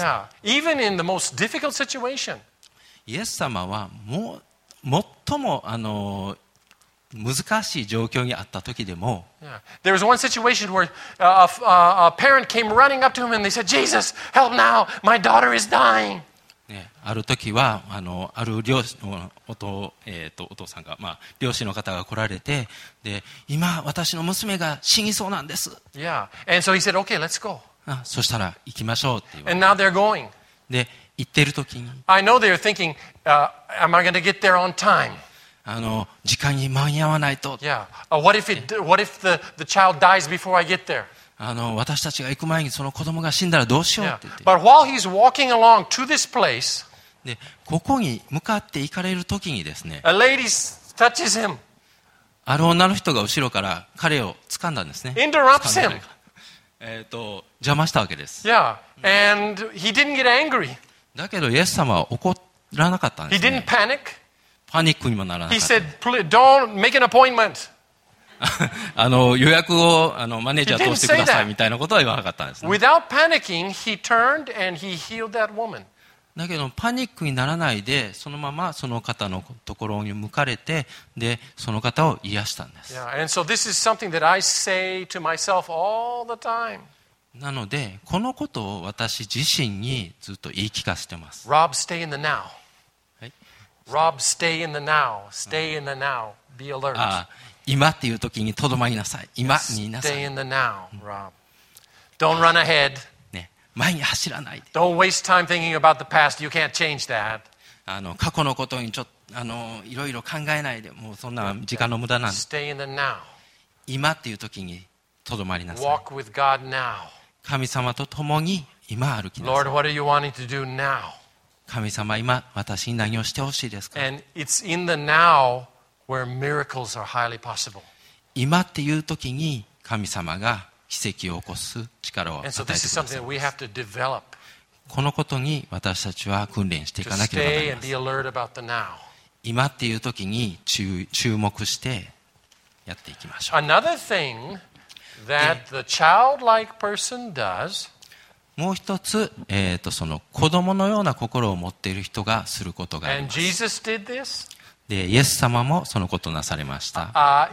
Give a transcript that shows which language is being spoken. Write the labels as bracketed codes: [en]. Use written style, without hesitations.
[en] Yeah, even in the most difficult situation. [ja] イエス様はもう最も難しい状況にあった時でも、 [en] There was one situation where a parent came running up to him and they said, Jesus, help now, my daughter is dying. [ja] ある時は、ある両親のお父さんが、両親の方が来られて、で、今、私の娘が死にそうなんです。 [en] Yeah. And so he said, okay, let's go. [ja] そしたら、行きましょうって言われ [en] て。And now they're going. [ja] で、行ってる時に。 [en] I know they're thinking, am I going to get there on time? [ja] あの時間に間に合わないと。 [en] Yeah. What if it, what if the, the child dies before I get there? [ja] あの私たちが行く前にその子供が死んだらどうしようって言って。 [en] Yeah. But while he's walking along to this place, [ja] でここに向かって行かれる時にですね。 [en] A lady touches him. [ja] ある女の人が後ろから彼を掴んだんですね。 [en] Interrupts him. [ja] 邪魔したわけです。 [en] Yeah. And he didn't get angry. [ja] だけどイエス様は怒らなかったんですね。 [en] He didn't panic. [ja] パニックにもならなかった。 [en] He said, please, don't make an appointment. [ja] あの予約をあのマネージャー通してくださいみたいなことは言わなかったんですね。 [en] Without panicking, he turned and he healed that woman. [ja] だけどパニックにならないでそのままその方のところに向かれてでその方を癒したんです。 [en] Yeah, and so this is something that I say to myself all the time. [ja] なのでこのことを私自身にずっと言い聞かせてます。 [en] Rob, stay in the now. Rob, stay in the now. Stay in the now. Be alert. [ja] ああ、今っていう時にとどまりなさい。今にいなさい。 [en] Stay in the now, Rob. Don't run ahead. [ja] ね、前に走らないで。 [en] Don't waste time thinking about the past. You can't change that. [ja] あの、過去のことにちょっと、あの、いろいろ考えないで、もうそんな時間の無駄なんで。 [en] Stay in the now. [ja] 今っていう時にとどまりなさい。 [en] Walk with God now. [ja] 神様と共に今歩きなさい。 [en] Lord, what are you wanting to do now? [ja] 神様今私に何をしてほしいですか。 [en] And it's in the now where miracles are highly possible. [ja] 今っていう時に神様が奇跡を起こす力を与えてください。 [en] And so this is something that we have to develop. [ja] このことに私たちは訓練していかなければなります。 [en] To stay and be alert about the now. [ja] 今っていう時に注目してやっていきましょう。 [en] Another thing that the childlike person does. [ja] もう一つ、その子供のような心を持っている人がすることがあります。で、イエス様もそのことなされました。